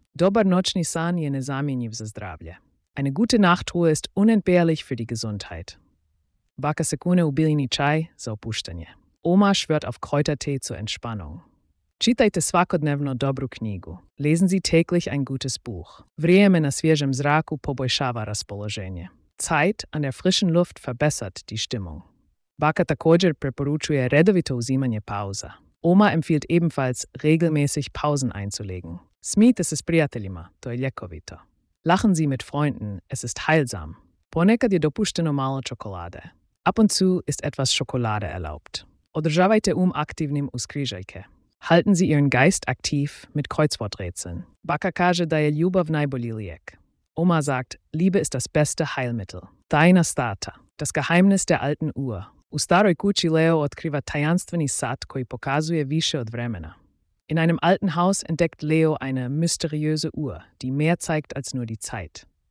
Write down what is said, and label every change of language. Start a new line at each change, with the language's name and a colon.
Croatian: Dobar noćni san je nezamjenjiv za zdravlje.
German: Eine gute Nachtruhe ist unentbehrlich für die Gesundheit.
Croatian: Baka se kune u bilini čaj za opuštanje.
German: Oma schwört auf Kräutertee zur Entspannung.
Croatian: Čitajte svakodnevno dobru knjigu.
German: Lesen Sie täglich ein gutes Buch.
Croatian: Vrijeme na svježem zraku poboljšava raspoloženje.
German: Zeit an der frischen Luft verbessert die Stimmung.
Croatian: Baka također preporučuje redovito uzimanje pauza.
German: Oma empfiehlt ebenfalls, regelmäßig Pausen einzulegen.
Croatian: Smijte se s prijateljima, to je ljekovito.
German: Lachen Sie mit Freunden, es ist heilsam.
Croatian: Ponekad je dopušteno malo čokolade.
German: Ab und zu ist etwas Schokolade erlaubt.
Croatian: Održavajte aktivnim uz križajke.
German: Halten Sie Ihren Geist aktiv mit Kreuzworträtseln.
Croatian: Baka kaže da je ljubav najbolji lijek.
German: Oma sagt, Liebe ist das beste Heilmittel.
Croatian: Tajna stata,
German: das Geheimnis der alten Uhr.
Croatian: U staroj kući Leo otkriva tajanstveni sat koji pokazuje više od vremena.
German: In einem alten Haus entdeckt Leo eine mysteriöse Uhr, die mehr zeigt als nur die Zeit.